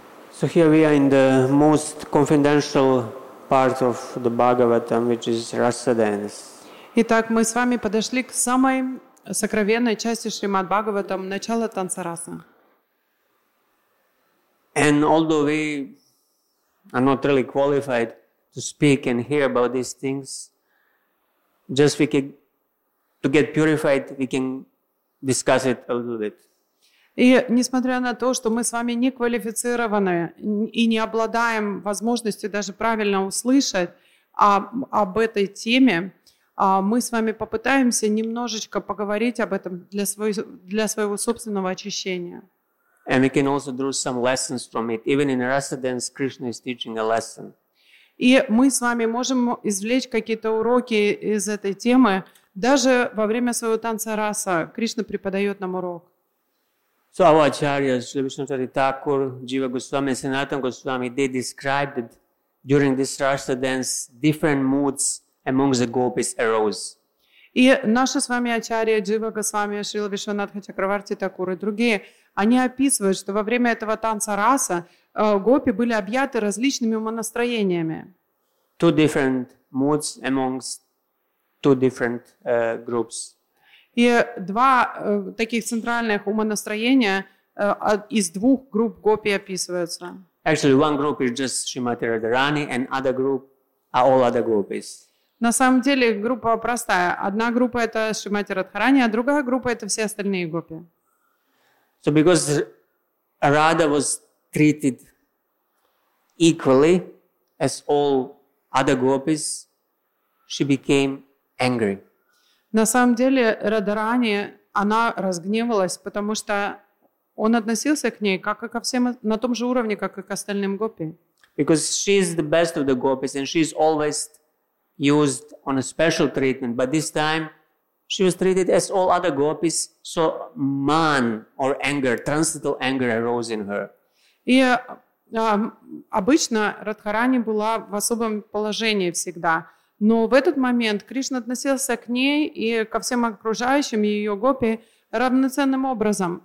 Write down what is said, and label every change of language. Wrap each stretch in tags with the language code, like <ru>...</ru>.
<en>So here we are in the most confidential part of the Bhagavatam, which is rasa dance.</en> <ru>Итак, мы с вами подошли к самой сокровенной части Шримад Бхагаватам, начало танца раса.</ru> <en>And although we are not really qualified to speak and hear about these things, just we can to get purified, we can discuss it a little bit.</en> <ru>И несмотря на то, что мы с вами не квалифицированы и не обладаем возможностью даже правильно услышать об этой теме, мы с вами попытаемся немножечко поговорить об этом для своего собственного очищения.</ru> <en>And we can also draw some lessons from it. Even in rasa dance, Krishna is teaching a lesson.</en> <ru>И мы с вами можем извлечь какие-то уроки из этой темы. Даже во время своего танца раса Кришна преподает нам урок.</ru> <en>So our acharyas, Śrīla Viṣṇucārī Thakur, Jīva Gosvāmī, Sanātana Gosvāmī, they described that during this rasa dance, different moods among the gopis arose.</en> <ru>И наши с вами ачарьи, Джива Госвами, Шрила Вишванатха Чакраварти Такур и другие, они описывают, что во время этого танца раса гопи были объяты различными умонастроениями.</ru> <en>Two different moods amongst two different groups.</en> <ru>И два таких центральных умонастроения из двух групп гопи описываются.</ru> <en>Actually, one group is just Shrimati Radharani, and other group are all other gopis.</en> <ru>На самом деле группа простая. Одна группа – это Шримати Радхарани, а другая группа – это все остальные гопи.</ru> <en>So because Radha was treated equally as all other gopis, she became angry.</en> <ru>На самом деле Радхарани, она разгневалась, потому что он относился к ней как и ко всем на том же уровне, как и к остальным гопи.</ru> <en>Because she is the best of the gopis and she is always used on a special treatment, but this time she was treated as all other gopis, so man or anger, transcendental anger arose in her.</en> <ru>И обычно Радхарани была в особом положении всегда. Но в этот момент Кришна относился к ней и ко всем окружающим ее гопи равноценным образом.</ru>